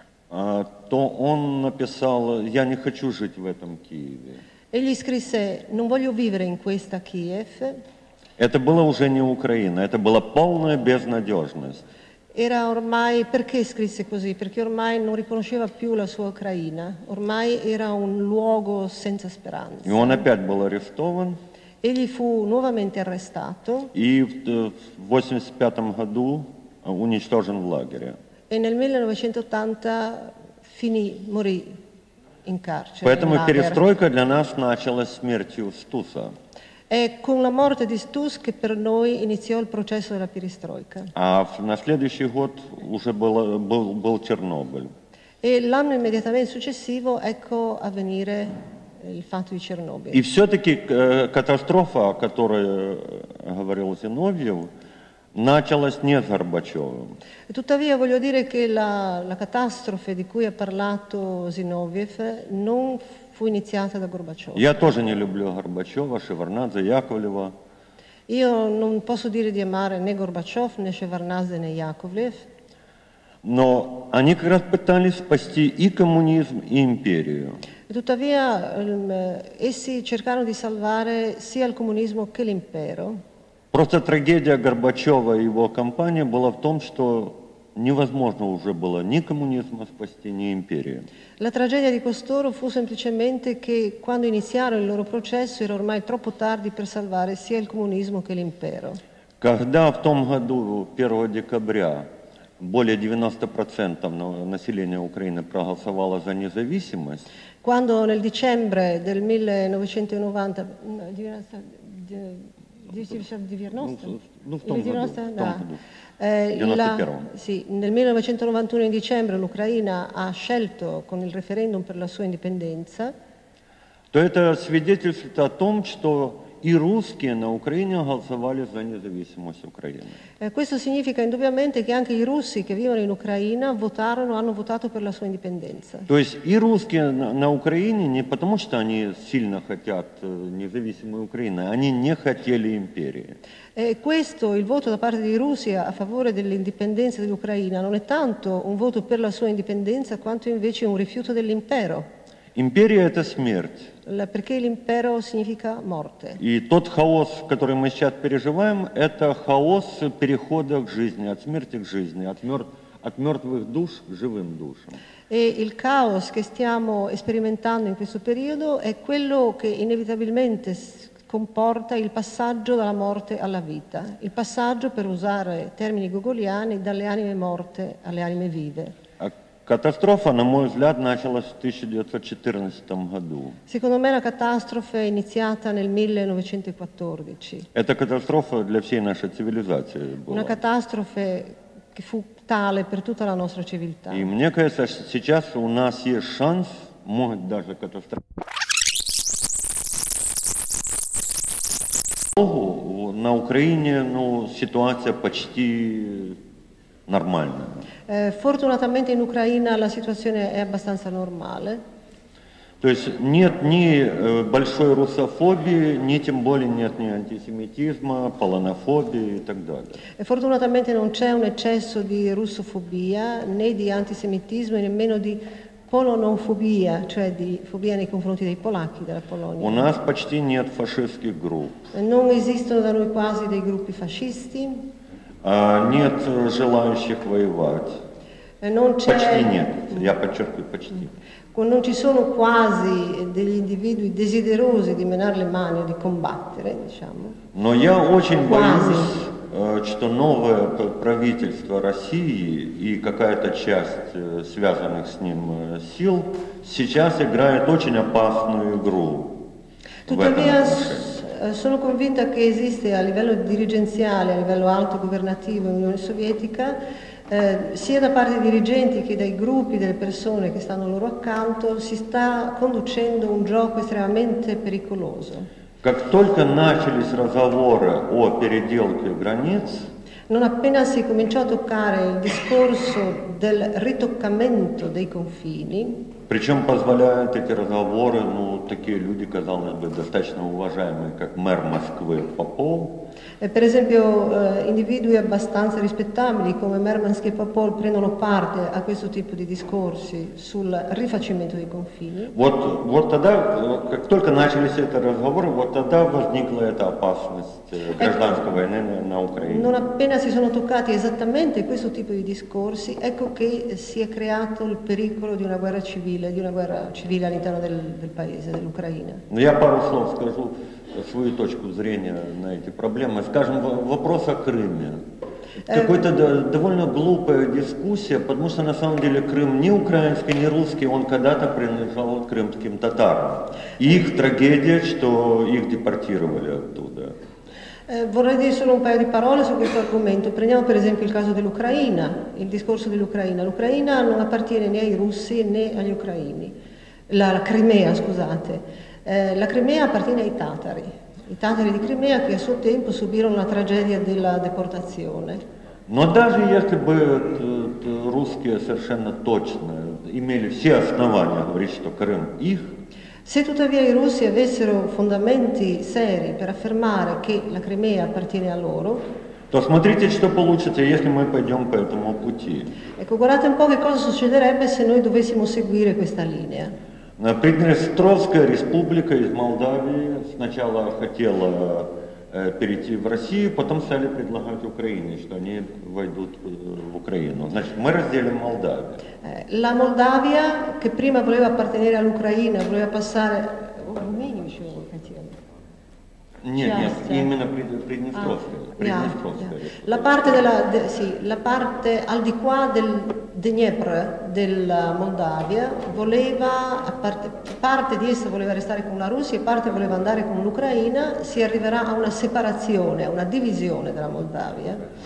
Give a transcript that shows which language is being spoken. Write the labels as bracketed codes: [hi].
[ru] то он написал: «Я не хочу жить в этом Киеве». [it] Egli scrisse: «Non voglio vivere in questa Kiev». [ru] Это было уже не Украина, это была полная безнадежность. [it] Era ormai, perché scrisse così? Perché ormai non riconosceva più la sua Ucraina. Ormai era un luogo senza speranza. [ru] И он опять был арестован. [it] Egli fu nuovamente arrestato. [ru] И в 85-м году уничтожен в лагере. [it] E nel 1980 morì. In carcere, [ru] поэтому [it] in [ru] перестройка для нас началась смертью Стуса. [it] E con la morte di Stus che per noi iniziò il processo della perestroika. [ru] А на следующий год уже был Чернобыль. [it] E l'anno immediatamente successivo, ecco avvenire il fatto di Chernobyl. [ru] И все-таки катастрофа, о которой говорил Зиновьев, началась не с Горбачёва. [it] E tuttavia voglio dire che la catastrofe di cui ha parlato Зиновьев non fu iniziata da Горбачёв. [ru] Я тоже не люблю Горбачёва, Шеварнадзе, Яковлева. [it] Io non posso dire di amare né Горбачёв, né Шеварнадзе, né Яковлев. [ru] Но они как раз пытались спасти и коммунизм, и империю. [it] E tuttavia essi cercarono di salvare sia il comunismo che l'impero. [ru] Просто трагедия Горбачёва и его компании была в том, что невозможно уже было ни коммунизма спасти, ни империю. [it] La tragedia di costoro fu semplicemente che quando iniziarono il loro processo era ormai troppo tardi per salvare sia il comunismo che l'impero. [ru] Когда в том году, 1 декабря, более 90% населения Украины проголосовало за независимость, [it] quando nel dicembre del 1991 in dicembre l'Ucraina ha scelto con il referendum per la sua indipendenza, [ru] то это свидетельствует о том, что и русские на Украине голосовали за независимость Украины. [it] Questo significa indubbiamente che anche i russi che vivono in Ucraina votarono, hanno votato per la sua indipendenza. [ru] То есть и русские на Украине не потому, что они сильно хотят независимой Украины, они не хотели империи. [it] E questo, il voto da parte dei russi a favore dell'indipendenza dell'Ucraina, non è tanto un voto per la sua indipendenza, quanto invece un rifiuto dell'impero. [ru] Империя – это смерть. [it] Perché l'impero significa morte. [ru] И тот хаос, который мы сейчас переживаем, это хаос перехода к жизни, от смерти к жизни, от мертвых душ к живым душам. [it] E il caos che stiamo sperimentando in questo periodo è quello che inevitabilmente comporta il passaggio dalla morte alla vita, il passaggio, per usare termini gogoliani, dalle anime morte alle anime vive. [ru] Катастрофа, на мой взгляд, началась в 1914 году. [it] Secondo me la catastrofe è iniziata nel 1914. [ru] Это катастрофа для всей нашей цивилизации была. [it] Una catastrofe che fu tale per tutta la nostra civiltà. [ru] И мне кажется, что сейчас у нас есть шанс, может даже катастрофа. Богу, на Украине, ну, ситуация почти нормальная. [it] Fortunatamente in Ucraina la situazione è abbastanza normale. [ru] То есть нет ни большой русофобии, ни тем более нет ни антисемитизма, полонофобии и так далее. [it] Fortunatamente non c'è un eccesso di russofobia, né di antisemitismo, nemmeno di polonofobia, cioè di fobia nei confronti dei polacchi, della Polonia. [ru] У нас почти нет фашистских групп. [it] Non esistono da noi quasi dei gruppi fascisti. [ru] Нет желающих воевать. [it] Non c'è... [ru] Почти нет, я подчеркиваю, почти. [it] Non ci sono quasi degli individui desiderosi di menare le mani, di combattere, diciamo. [ru] Но я очень боюсь, что новое правительство России и какая-то часть связанных с ним сил сейчас играет очень опасную игру. [it] Tuttavia sono convinta che esiste a livello dirigenziale, a livello alto governativo dell'Unione Sovietica, sia da parte dei dirigenti che dai gruppi delle persone che stanno loro accanto, si sta conducendo un gioco estremamente pericoloso. [ru] Как только начались разговоры о переделке границ, [it] non appena si cominciò a toccare il discorso del ritoccamento dei confini, [ru] причем позволяют эти разговоры, ну, такие люди, казалось бы, достаточно уважаемые, как мэр Москвы Попов. [it] Per esempio, individui abbastanza rispettabili come Мерманский Попов prendono parte a questo tipo di discorsi sul rifacimento dei confini. [ru] Вот тогда, как только начались эти разговоры, вот тогда возникла эта опасность гражданской войны на Украине. [it] Non appena si sono toccati esattamente questo tipo di discorsi, ecco che si è creato il pericolo di una guerra civile. Di una guerra civile all'interno del paese, dell'Ucraina. [ru] Ну, я пару слов скажу свою точку зрения на эти проблемы. Скажем, вопрос о Крыме. Какая-то довольно глупая дискуссия, потому что на самом деле Крым не украинский, не русский, он когда-то принадлежал крымским татарам. И их трагедия, что их депортировали оттуда. [it] Vorrei dire solo un paio di parole su questo argomento. Prendiamo per esempio il caso dell'Ucraina, il discorso dell'Ucraina. L'Ucraina non appartiene né ai russi né agli ucraini. La Crimea, scusate. La Crimea appartiene ai tatari. I tatari di Crimea che a suo tempo subirono la tragedia della deportazione. [ru] Но даже если бы русские совершенно точно имели все основания говорить, что Крым их, [it] se tuttavia i russi avessero fondamenti seri per affermare che la Crimea appartiene a loro, [ru] то смотрите, что получится, если мы пойдем по этому пути. [it] Ecco, guardate un po' che cosa succederebbe se noi dovessimo seguire questa linea. [ru] На Приднестровская республика из Молдавии сначала хотела перейти в Россию, потом стали предлагать Украине, что они войдут в Украину. Значит, мы разделим Молдавию. [it] La Moldavia, che prima voleva appartenere all'Ucraina, voleva passare Rumänien, ci vuole [ru] хотели. Нет, нет, именно Приднестровская. Приднестровская. [it] La parte della sì, la parte al di qua del Dnieper della Moldavia voleva, parte di essa voleva restare con la Russia e parte voleva andare con l'Ucraina, si arriverà a una separazione, a una divisione della Moldavia.